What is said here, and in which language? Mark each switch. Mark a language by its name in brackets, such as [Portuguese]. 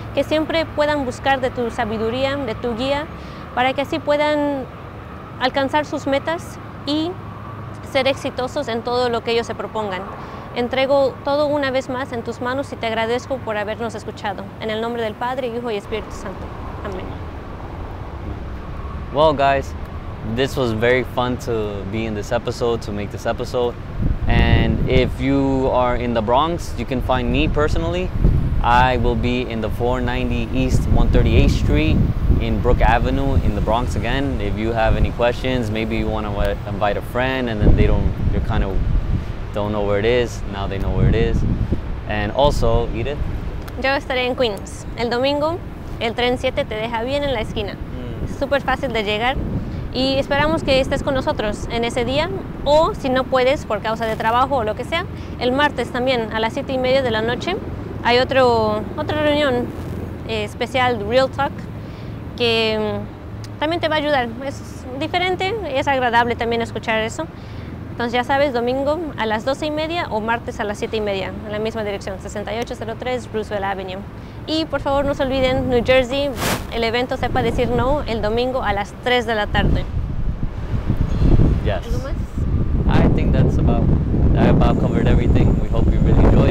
[Spanish] Que siempre puedan buscar de tu sabiduría, de tu guía, para que así puedan alcanzar sus metas y ser exitosos en todo lo que ellos se propongan. Entrego todo una vez más en tus manos y te agradezco por habernos escuchado. En el nombre del Padre, Hijo y Espíritu Santo. Amén. [English] Well, guys, this was very fun to be in this episode, to make this episode. And if you are in the Bronx, you can find me personally. I will be in the 490 East 138th Street in Brook Avenue in the Bronx again. If you have any questions, maybe you want to invite a friend and then you kind of don't know where it is. Now they know where it is. And also, Edith? [Spanish] Yo estaré en Queens. El domingo, el tren 7 te deja bien en la esquina. Súper fácil de llegar. Y esperamos que estés con nosotros en ese día, o si no puedes por causa de trabajo o lo que sea, el martes también a las 7:30 de la noche. Hay otra reunión especial, Real Talk, que también te va a ayudar. Es diferente y es agradable también escuchar eso. Entonces ya sabes, domingo a las 12:30 o martes a las 7:30, en la misma dirección, 6803 Roosevelt Avenue. Y por favor no se olviden, New Jersey, el evento Sepa Decir No, el domingo a las 3 de la tarde. [English] Yes. [Spanish] ¿Algo más? [English] I think that's about covered everything. We hope you really